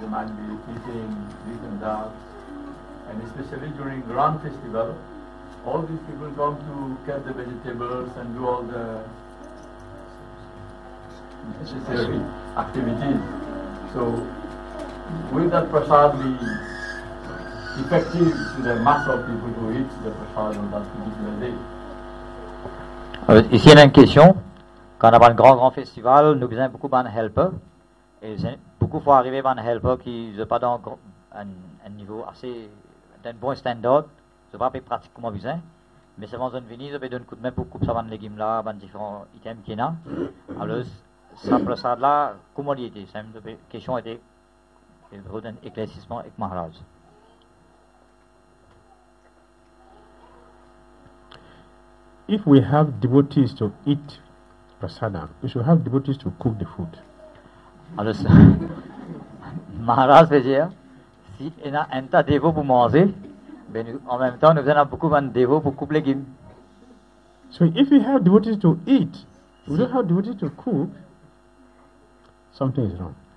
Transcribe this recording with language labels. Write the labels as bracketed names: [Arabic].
[English] They might be eating this and that. And especially during Grand Festival, all these people come to cut the vegetables and do all the necessary activities. So will that prasad be effective to the mass of people who eat the prasad on that particular day? [French] Ici, il y a une question. Quand on a un grand festival, nous avons beaucoup de helpers. Et beaucoup fois arriver à un helper qui n'est pas dans un niveau assez, d'un bon standard, ce n'est pas pratiquement besoin. Mais c'est bon, venir, je vais donner un coup de main pour couper ça, les légumes là, les différents items qu'il y a. Alors, ça, pour ça, là, comment il était? C'est une question qui était pour un éclaircissement avec Maharaj. [English] If we have devotees to eat prasadam, we should have devotees to cook the food. [French] Alors, Maharaj veut dire, si il y a un tas de dévots pour manger, ben nous, en même temps, nous avons beaucoup de dévots pour couper les légumes. [English] So if we have devotees to eat, we don't have devotees to cook, something is wrong.